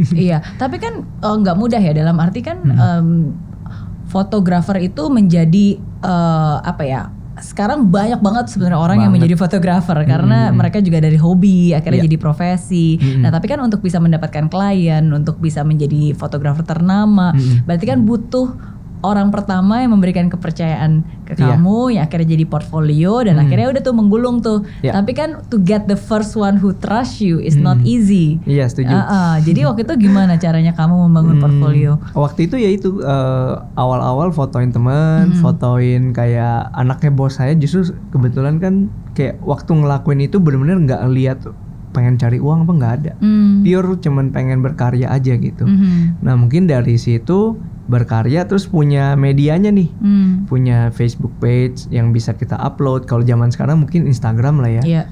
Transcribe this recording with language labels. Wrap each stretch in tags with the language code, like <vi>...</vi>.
<id>Iya, tapi kan gak mudah ya, dalam arti kan fotografer itu menjadi apa ya, sekarang banyak banget sebenarnya orang yang menjadi fotografer karena mereka juga dari hobi akhirnya jadi profesi. Nah tapi kan untuk bisa mendapatkan klien, untuk bisa menjadi fotografer ternama, berarti kan butuh orang pertama yang memberikan kepercayaan ke kamu, yang akhirnya jadi portfolio dan akhirnya udah tuh menggulung tuh. Tapi kan</id> <en>to get the first one who trust you is not easy.</en> <id>Iya, setuju. Jadi waktu itu gimana caranya kamu membangun portfolio? Waktu itu ya itu awal-awal fotoin teman, fotoin kayak anaknya bos saya, justru kebetulan kan kayak waktu ngelakuin itu benar-benar nggak lihat pengen cari uang apa nggak ada. Pure cuman pengen berkarya aja gitu. Nah mungkin dari situ berkarya terus punya medianya nih, punya Facebook page yang bisa kita upload, kalau zaman sekarang mungkin Instagram lah ya.</id>